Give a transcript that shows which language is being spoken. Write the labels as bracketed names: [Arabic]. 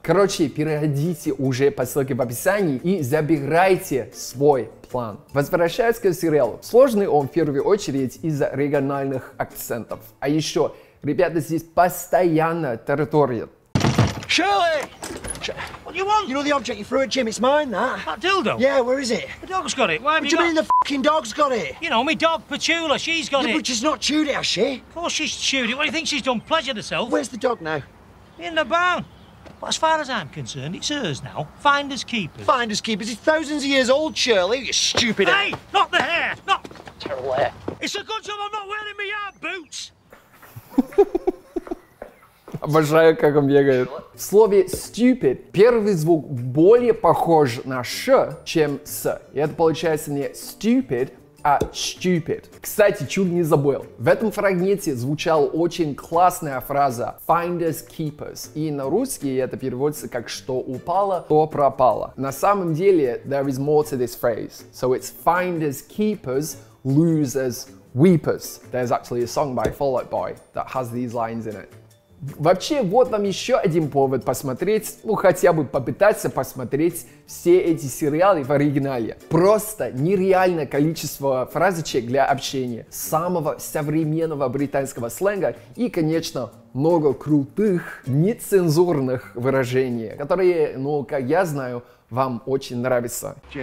[Russian] Короче, переходите уже по ссылке в описании и забирайте свой план. Возвращаясь к сериалу, сложный он в первую очередь из-за региональных акцентов. А еще, ребята здесь постоянно тараторят. [English] Shirley! What do you want? You know the object you threw at Jim, it's mine, that. That dildo? Yeah, where is it? The dog's got it, why have what you What do you mean the f***ing dog's got it? You know, me dog, Petula, she's got yeah, it. But she's not chewed it, has she? Of course she's chewed it, what do you think she's done, pleasured herself? Where's the dog now? In the barn. But as far as I'm concerned, it's hers now. Finders keepers. Finders keepers? It's thousands of years old, Shirley, you stupid... Hey! Not the hair! Not... Terrible hair. It's a good job I'm not wearing my yard boots! [Russian] Обожаю, как он бегает. В слове stupid первый звук более похож на sh, чем s. И это получается не stupid, а stupid. Кстати, чуть не забыл. В этом фрагменте звучала очень классная фраза finders keepers. И на русский это переводится как что упало, то пропало. На самом деле, [English] there is more to this phrase. So it's finders keepers, losers weepers. There's actually a song by Fall Out Boy that has these lines in it. [Russian] Вообще, вот вам еще один повод посмотреть, ну хотя бы попытаться посмотреть все эти сериалы в оригинале. Просто нереальное количество фразочек для общения, самого современного британского сленга и, конечно, много крутых, нецензурных выражений, которые, ну, как я знаю, вам очень нравятся.